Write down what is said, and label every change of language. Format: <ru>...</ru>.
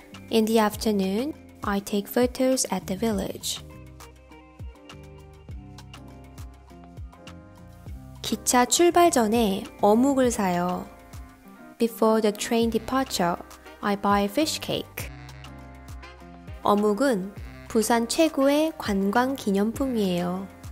<en>In the afternoon, I take photos at the village.</en> <ko>기차 출발 전에 어묵을 사요.</ko> <en>Before the train departure, I buy a fish cake.</en> <ko>어묵은 부산 최고의 관광 기념품이에요.</ko>